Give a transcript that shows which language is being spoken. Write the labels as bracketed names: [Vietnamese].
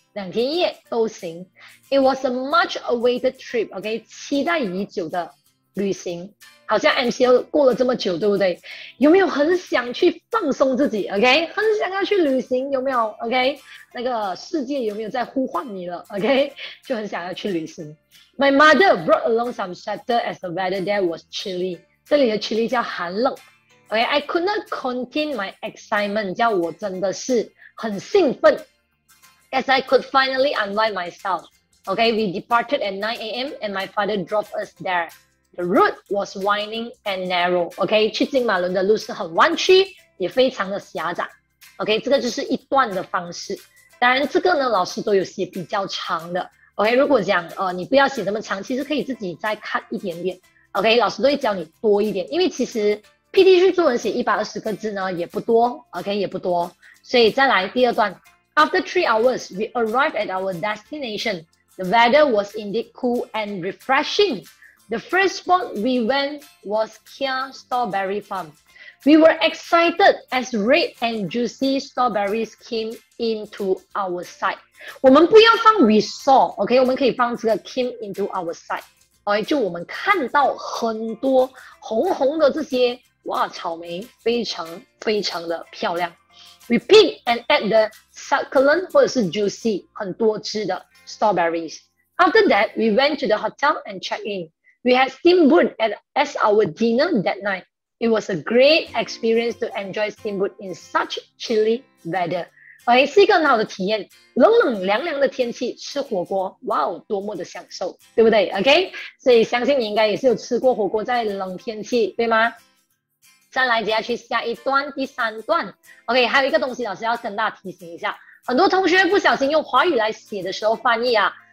[Chinese] 两天一夜都行 [English] ，It was a much awaited trip. [Chinese] OK， 期待已久的旅行，好像 MCO 过了这么久，对不对？有没有很想去放松自己 ？OK， 很想要去旅行，有没有 ？OK， 那个世界有没有在呼唤你了 ？OK， 就很想要去旅行。 [English] My mother brought along some sweater as the weather there was chilly. [Chinese] 这里的 chilly 叫寒冷。 [English] OK， I could not contain my excitement. [Chinese] 叫我真的是很兴奋。 [English] As I could finally unwind myself, okay, we departed at 9 a.m. and my father dropped us there. The route was winding and narrow, okay, [Chinese] 去金马伦的路是很弯曲，也非常的狭窄 [English] okay, [Chinese] 这个就是一段的方式。当然这个呢，老师都有写比较长的 okay, 如果讲你不要写这么长，其实可以自己再 cut 一点点 OK， 老师都会教你多一点，因为其实 PT 去作文写120个字呢也不多， OK 也不多。所以再来第二段， [English] After 3 hours, we arrived at our destination. The weather was indeed cool and refreshing. The first spot we went was Kia Strawberry Farm. We were excited as red and juicy strawberries came into our sight. [Chinese] 我们不要放 we saw, OK 我们可以放这个 [English] came into our sight. [Chinese] 就我们看到很多红红的这些哇草莓非常非常的漂亮。 [English] Repeat and add the succulent [Chinese] 或者是 [English] juicy [Chinese] 很多汁的 [English] strawberries. After that, we went to the hotel and check in. We had steamboat as our dinner that night. It was a great experience to enjoy steamboat in such chilly weather. [Chinese] OK, 是一个很好的体验，冷冷凉凉的天气吃火锅，哇哦，多么的享受，对不对 ？OK， 所以相信你应该也是有吃过火锅在冷天气，对吗？再来接下去下一段，第三段。OK， 还有一个东西，老师要跟大家提醒一下，很多同学不小心用华语来写的时候翻译啊。